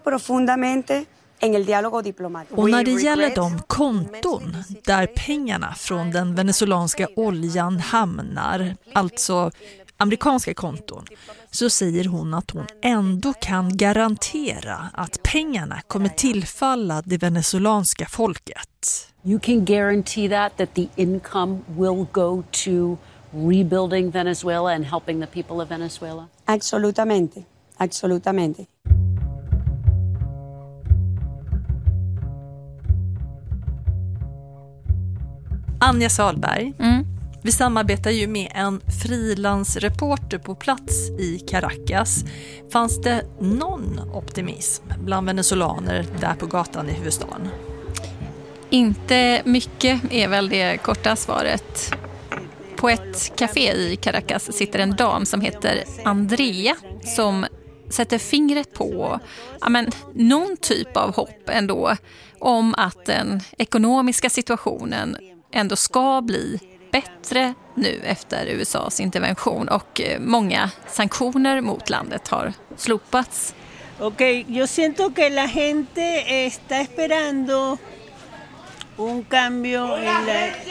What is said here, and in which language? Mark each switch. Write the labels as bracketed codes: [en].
[sv] Och när det gäller de konton där pengarna från den venezolanska oljan hamnar, alltså amerikanska konton, så säger hon att hon ändå kan garantera att pengarna kommer tillfalla det venezolanska folket. [en] You can guarantee that the income will go to rebuilding Venezuela and helping the people of Venezuela. [es] Absolutamente. Absolutamente. [sv] Anja Sahlberg. Mm. Vi samarbetar ju med en frilansreporter på plats i Caracas. Fanns det någon optimism bland venezolaner där på gatan i huvudstaden? Inte mycket är väl det korta svaret. På ett café i Caracas sitter en dam som heter Andrea som sätter fingret på någon typ av hopp ändå om att den ekonomiska situationen ändå ska bli bättre nu efter USA:s intervention och många sanktioner mot landet har slopats. [es] Okay, yo siento que la gente está esperando un cambio en la.